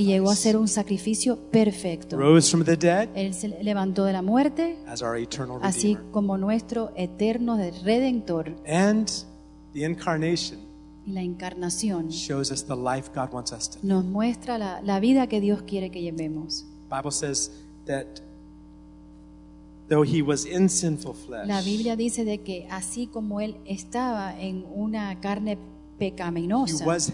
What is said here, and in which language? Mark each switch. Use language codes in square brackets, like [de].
[es] Y llegó a ser un sacrificio perfecto. [en] Rose from the dead. [es] Él se levantó de la muerte. [en] As our eternal [es] así [en] redeemer. [es] Así como nuestro eterno redentor. [en] And the incarnation. [es] Y la encarnación. [en] Shows us the life God wants us to. [es] Nos muestra la vida que Dios quiere que llevemos. [en] Bible says that though he was in sinful flesh. [es] La Biblia dice de que así como él estaba en una carne pecaminosa.